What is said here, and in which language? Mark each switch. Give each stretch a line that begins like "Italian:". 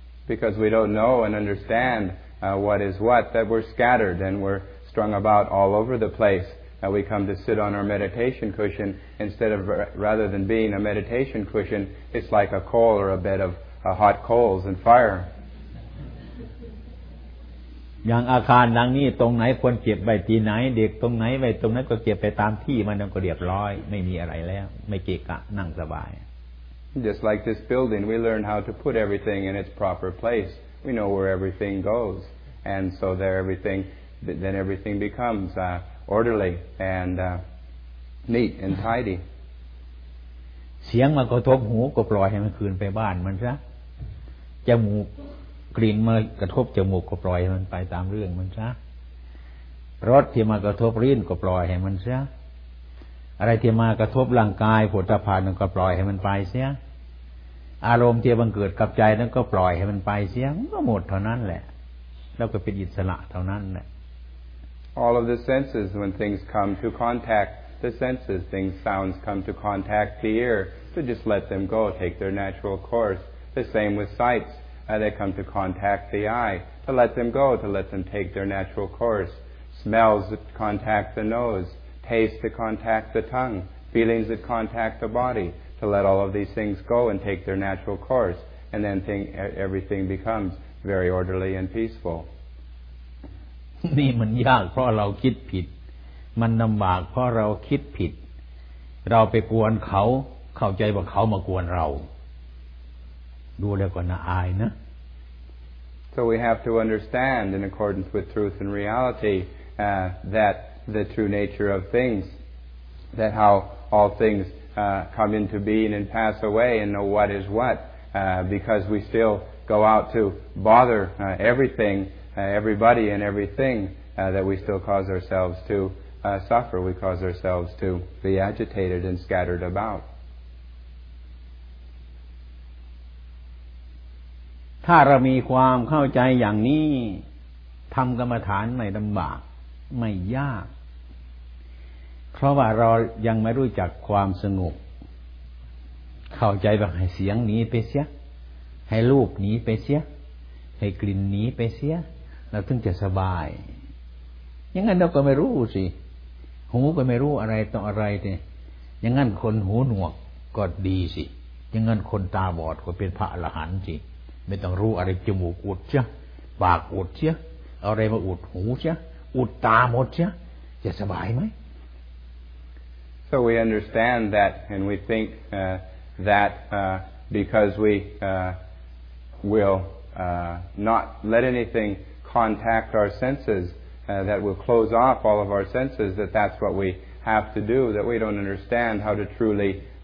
English: Because we don't know and understand what is what that we're scattered and we're strung about all over the place that we come to sit on our meditation cushion instead of rather than being a meditation cushion it's like a coal or a bed of hot coals and fire
Thai: อย่างอาคารหลังนี้ตรงไหนควรเก็บไว้ที่ไหนเด็กตรงไหนไว้ตรงนั้นก็เก็บไปตามที่มันก็เรียบร้อยไม่มีอะไรแล้วไม่เกะกะนั่งสบาย
English: Just like this building we learn how to put everything in its proper place we know where everything goes and so there everything then everything becomes orderly and neat and tidy
Thai: เสียงมากระทบหูก็ปล่อยให้มันคืนไปบ้านมันซะจมูกกลิ่นมากระทบจมูกก็ปล่อยให้มันไปตามเรื่องมันซะรสที่มากระทบลิ้นก็ปล่อยให้มันซะอะไรที่มากระทบร่างกายผัวตาผ่านก็ปล่อยให้มันไปเสียอารมณ์ที่บังเกิดกับใจนั้นก็ปล่อยให้มันไปเสียก็หมดเท่านั้นแหละแล้วก็เป็นอิสระเท่านั้นแหละ
English: All of the senses when things come to contact the senses things sounds come to contact the ear so just let them go take their natural course the same with sightsthey come to contact the eye, to let them go, to let them take their natural course. Smells that contact the nose, tastes that contact the tongue, feelings that contact the body, to let all of these things go and take their natural course. And then everything becomes very orderly and peaceful.
Thai: นี่มันยากเพราะเราคิดผิดมันลำบากเพราะเราคิดผิดเราไปกวนเขาเข้าใจว่าเขามากวนเราดูแล้วก็น่าอายนะ
English: So we have to understand in accordance with truth and reality that the true nature of things that how all things come into being and pass away and know what is what because we still go out to bother everything everybody and everything that we still cause ourselves to suffer we cause ourselves to be agitated and scattered about
Thai: ถ้าเรามีความเข้าใจอย่างนี้ทำกรรมฐานไม่ลำบากไม่ยากเพราะว่าเรายังไม่รู้จักความสงบเข้าใจว่าให้เสียงหนีไปเสียให้รูปหนีไปเสียให้กลิ่นหนีไปเสียเราถึงจะสบาย อย่างนั้นเราก็ไม่รู้สิหูก็ไม่รู้อะไรต่ออะไรเนี่ยอย่างนั้นคนหูหนวกก็ดีสิอย่างนั้นคนตาบอดก็เป็นพระอรหันต์สิไม่ต้องรู้อะไรจมูกอุดเชียปากอุดเชียอะไรมาอุดหูเชียอุดตาหมดเชียจะสบายไหม
English: So we understand that and we think that because we will not let anything contact our senses that will close off all of our senses that that's what we have to do that we don't understand how to truly